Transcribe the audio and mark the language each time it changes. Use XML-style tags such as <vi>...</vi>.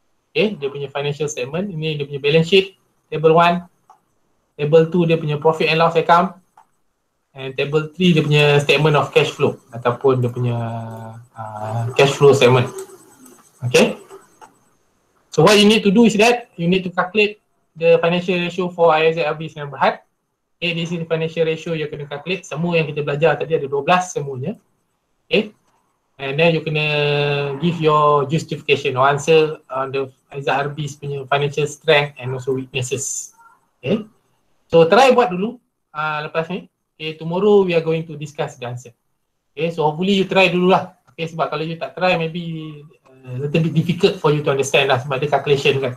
<en>Okay, dia punya financial statement, ini dia punya balance sheet, table 1, table 2 dia punya profit and loss account, and table 3 dia punya statement of cash flow ataupun dia punya cash flow statement. Okay, so what you need to do is that you need to calculate the financial ratio for ISRB Sdn Bhd. Okay, this is the financial ratio you kena calculate.</en> <ms>Semua yang kita belajar tadi ada 12 semuanya.</ms> <en>Okay, and then you kena give your justification or answer on the SZRB's punya financial strength and also weaknesses. Okay, so try</en> <ms>buat dulu lepas ni.</ms> <en>Okay, tomorrow we are going to discuss the answer. Okay, so hopefully you try dululah. Okay,</en> <ms>sebab kalau you tak try</ms> <en>maybe little bit difficult for you to understand lah sebab ada calculation kan.</en>